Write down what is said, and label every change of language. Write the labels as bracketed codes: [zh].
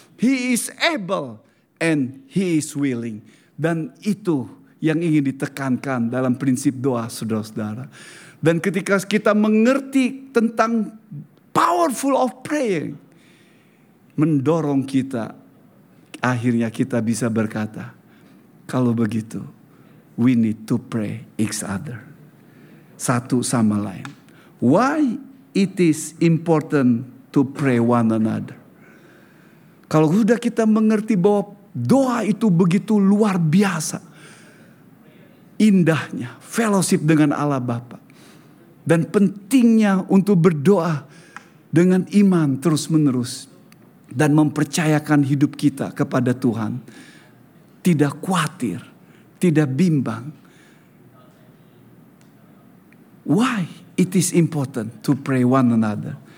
[en] He is able and He is willing. [id] Dan itu yang ingin ditekankan dalam prinsip doa, saudara-saudara. Dan ketika kita mengerti tentang [en] powerful of praying, [id] mendorong kita, akhirnya kita bisa berkata, kalau begitu, [en] we need to pray each other. [id] Satu sama lain. [en] Why it is important to pray one another? [id] Kalau sudah kita mengerti bahwa doa itu begitu luar biasa indahnya, fellowship dengan Allah Bapa, dan pentingnya untuk berdoa dengan iman terus-menerus dan mempercayakan hidup kita kepada Tuhan. Tidak khawatir, tidak bimbang. [en] Why it is important to pray one another?